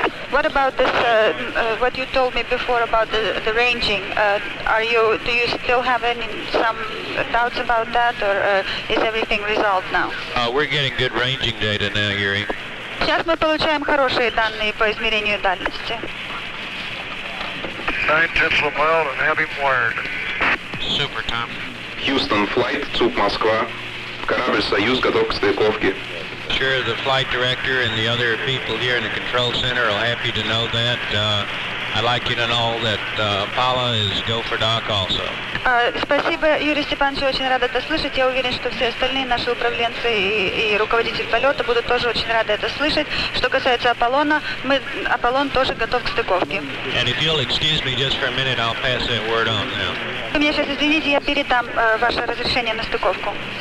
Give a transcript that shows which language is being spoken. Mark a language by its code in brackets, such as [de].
[en] What about this, what you told me before about the ranging, do you still have some doubts about that, or is everything resolved now? We're getting good ranging data now, Yuri. [ru] Сейчас мы получаем хорошие данные по измерению дальности. [en] 9 tenths of a mile and having wired. Super, Tom. [ru] Houston flight, ЦУП Москва. Корабль «Союз» готов к стыковке. [en] Sure, the flight director and the other people here in the control center are happy to know that. I'd like you to know that Paula is go for dock also. [ru] Спасибо, Юрий Степанович, очень рада это слышать. Я уверен, что все остальные наши управленцы и руководитель полета будут тоже очень рады это слышать. Что касается Аполлона, Аполлон тоже готов к стыковке. [en] And if you'll excuse me just for a minute, I'll pass that word on now. [ru] Вы меня сейчас извините, я передам ваше разрешение на стыковку.